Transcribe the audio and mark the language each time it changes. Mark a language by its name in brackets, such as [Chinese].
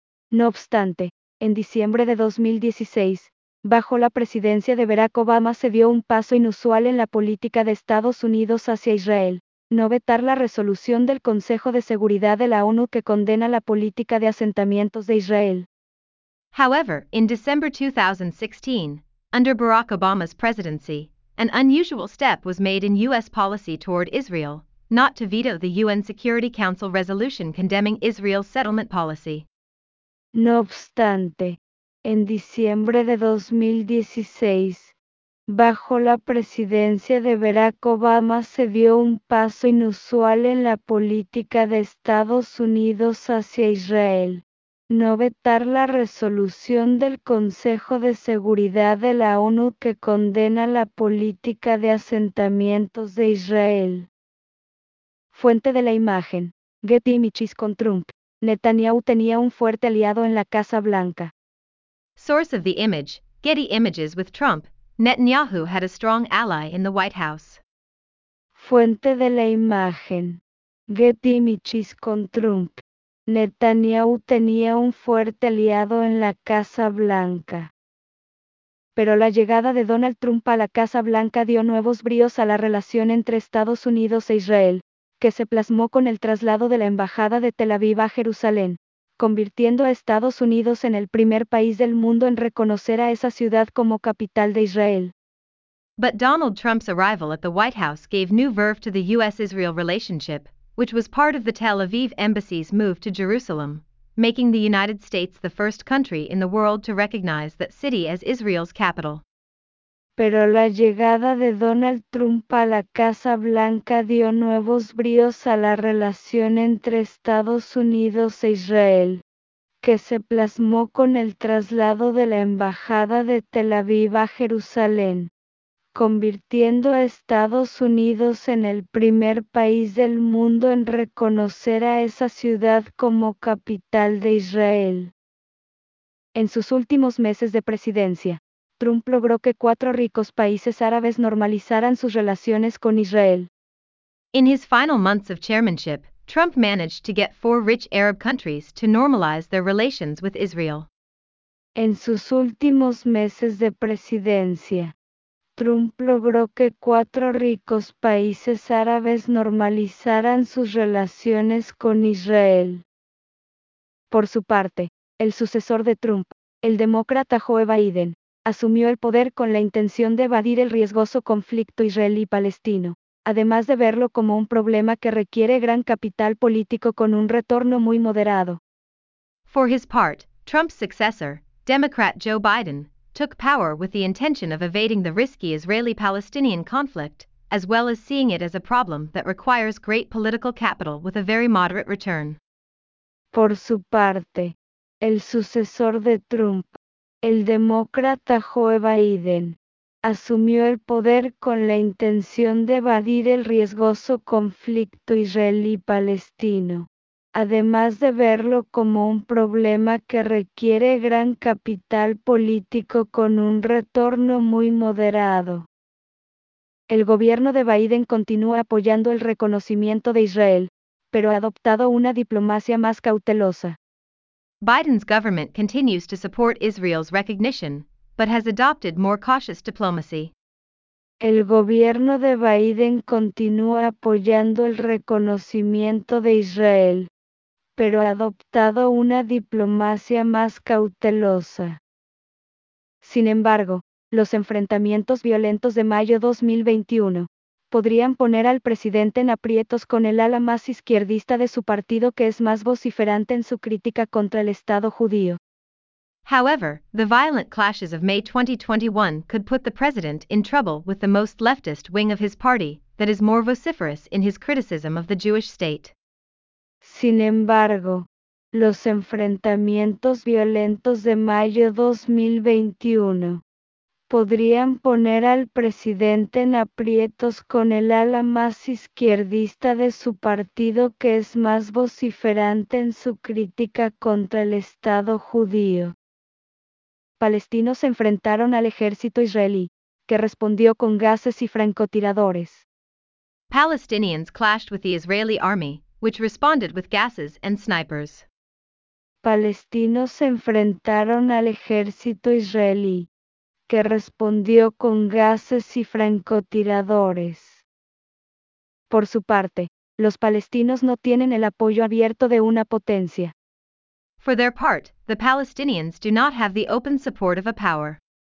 [Spanish] No obstante, en diciembre de 2016, bajo la presidencia de Barack Obama se dio un paso inusual en la política de Estados Unidos hacia Israel, no vetar la resolución del Consejo de Seguridad de la ONU que condena la política de asentamientos de Israel. [English] However, in December 2016, under Barack Obama's presidency, an unusual step was made in U.S. policy toward Israel, not to veto the UN Security Council resolution condemning Israel's settlement policy. [Spanish] No obstante, en diciembre de 2016, bajo la presidencia de Barack Obama se dio un paso inusual en la política de Estados Unidos hacia Israel. No vetar la resolución del Consejo de Seguridad de la ONU que condena la política de asentamientos de Israel. Fuente de la imagen, Getty Images. Con Trump, Netanyahu tenía un fuerte aliado en la Casa Blanca. [English] Source of the image, Getty Images. With Trump, Netanyahu had a strong ally in the White House. [Spanish] Fuente de la imagen, Getty Images. Con Trump, Netanyahu tenía un fuerte aliado en la Casa Blanca. Pero la llegada de Donald Trump a la Casa Blanca dio nuevos bríos a la relación entre Estados Unidos e Israel, que se plasmó con el traslado de la embajada de Tel Aviv a Jerusalén, convirtiendo a Estados Unidos en el primer país del mundo en reconocer a esa ciudad como capital de Israel. [English] But Donald Trump's arrival at the White House gave new verve to the U.S.-Israel relationship, which was part of the Tel Aviv embassy's move to Jerusalem, making the United States the first country in the world to recognize that city as Israel's capital. [Spanish] Pero la llegada de Donald Trump a la Casa Blanca dio nuevos bríos a la relación entre Estados Unidos e Israel, que se plasmó con el traslado de la embajada de Tel Aviv a Jerusalén, convirtiendo a Estados Unidos en el primer país del mundo en reconocer a esa ciudad como capital de Israel. En sus últimos meses de presidencia, Trump logró que cuatro ricos países árabes normalizaran sus relaciones con Israel. [English] In his final months of chairmanship, Trump managed to get four rich Arab countries to normalize their relations with Israel. [Spanish] En sus últimos meses de presidencia, Trump logró que cuatro ricos países árabes normalizaran sus relaciones con Israel. Por su parte, el sucesor de Trump, el demócrata Joe Biden, asumió el poder con la intención de evadir el riesgoso conflicto israelí-palestino, además de verlo como un problema que requiere gran capital político con un retorno muy moderado. [English] For his part, Trump's successor, Democrat Joe Biden, took power with the intention of evading the risky Israeli-Palestinian conflict, as well as seeing it as a problem that requires great political capital with a very moderate return. [Spanish] Por su parte, el sucesor de Trump, el demócrata Joe Biden, asumió el poder con la intención de evadir el riesgoso conflicto israelí-palestino, además de verlo como un problema que requiere gran capital político con un retorno muy moderado. El gobierno de Biden continúa apoyando el reconocimiento de Israel, pero ha adoptado una diplomacia más cautelosa. [English] Biden's government continues to support Israel's recognition, but has adopted more cautious diplomacy. [Spanish] El gobierno de Biden continúa apoyando el reconocimiento de Israel, pero ha adoptado una diplomacia más cautelosa. Sin embargo, los enfrentamientos violentos de mayo 2021, podrían poner al presidente en aprietos con el ala más izquierdista de su partido, que es más vociferante en su crítica contra el Estado judío. [English] However, the violent clashes of May 2021 could put the president in trouble with the most leftist wing of his party, that is more vociferous in his criticism of the Jewish state. [Spanish] Sin embargo, los enfrentamientos violentos de mayo 2021 podrían poner al presidente en aprietos con el ala más izquierdista de su partido, que es más vociferante en su crítica contra el Estado judío. Palestinos se enfrentaron al ejército israelí, que respondió con gases y francotiradores. [English] Palestinians clashed with the Israeli army, which responded with gases and snipers. [Spanish] Palestinos se enfrentaron al ejército israelí, que respondió con gases y francotiradores. Por su parte, los palestinos no tienen el apoyo abierto de una potencia. [English] For their part, the Palestinians do not have the open support of a power.